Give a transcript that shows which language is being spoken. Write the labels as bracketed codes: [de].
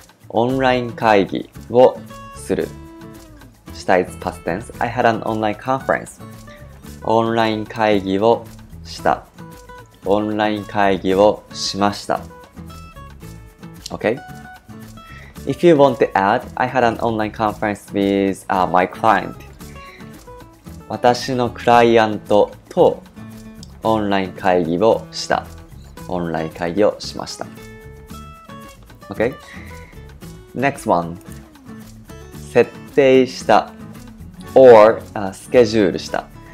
[ja] オンライン会議をする。 [en] した is past tense. I had an online conference. [ja] オンライン会議をした。オンライン会議をしました。 [en] Okay? If you want to add, I had an online conference with my client. [ja] 私のクライアントとオンライン会議をした。オンライン会議をしました。 [en] Okay? Next one. 設定した or スケジュールした。